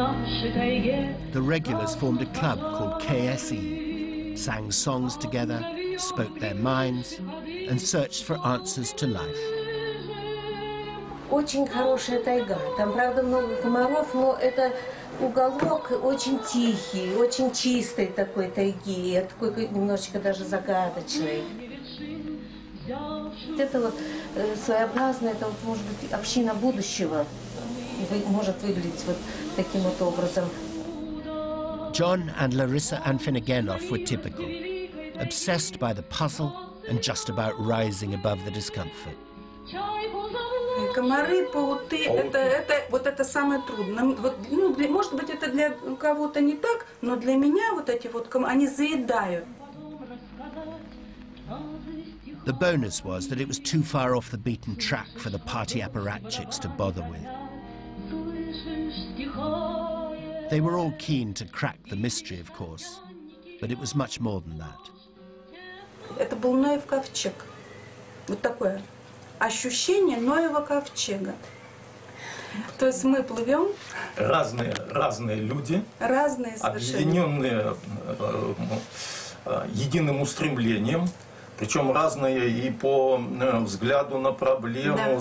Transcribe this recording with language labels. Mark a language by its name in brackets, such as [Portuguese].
[English] The regulars formed a club called KSE, sang songs together, spoke their minds, and searched for answers to life. [Russian] Очень хорошая тайга. Там, правда, много комаров, но это уголок очень тихий, очень чистый такой тайги, такой немножечко даже загадочный. Это вот своеобразно, это вот, может быть, община будущего может выглядеть вот таким вот образом. [English] John and Larissa Anfinigenov were typical, obsessed by the puzzle and just about rising above the discomfort. [Russian] Комары, пауты, это вот это самое трудное. Вот, ну, для, может быть, это для кого-то не так, но для меня вот эти вот комары, они заедают. [English] The bonus was that it was too far off the beaten track for the party apparatchiks to bother with. They were all keen to crack the mystery, of course, but it was much more than that. [Russian] Это был Ноев ковчег. Вот такое ощущение Ноева ковчега. То есть мы плывем. Разные люди. Разные совершенно. Объединенные единым устремлением. Причем разные и по взгляду на проблему, да.